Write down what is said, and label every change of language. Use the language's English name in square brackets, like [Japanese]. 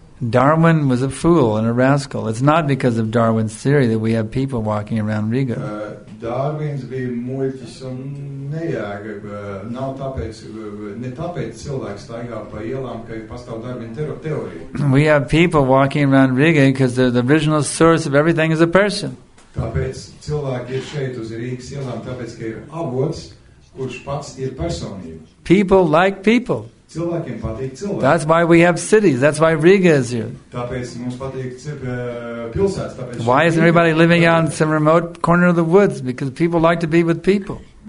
[English] Darwin was a fool and a rascal. It's not because of Darwin's theory that we have people walking around Riga. [Latvian] Darwin's bija muļķis un nejāga, nav tāpēc, ne tāpēc cilvēks staigā pa ielām, ka pastāv Darwin's teorija. [English] We have people walking around Riga because the original source of everything is a person. [Latvian] Tāpēc cilvēki ir šeit uz Rīgas ielām, tāpēc, ka ir avots, kurš pats ir personība. [English] People like people. That's why we have cities. That's why Riga is here. Why isn't everybody living out in some remote corner of the woods? Because people like to be with people.